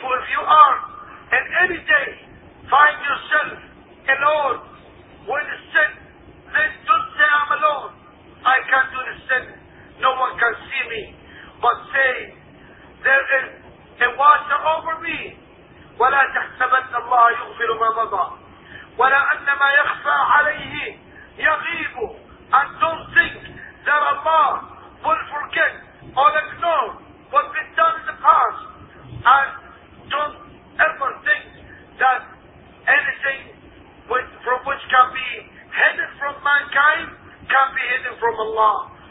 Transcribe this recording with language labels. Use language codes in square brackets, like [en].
[en] If you are in any day find yourself alone with sin, then don't say I'm alone, I can't do the sin, no one can see me, but say there is a watcher over me. [ar] ولا تحسبن الله يغفر ما مضى ولا أن ما يخفى عليه يغيب. [en] And don't think that Allah will forget or ignore what's been done in the past. And don't ever think that anything from which can be hidden from mankind can be hidden from Allah.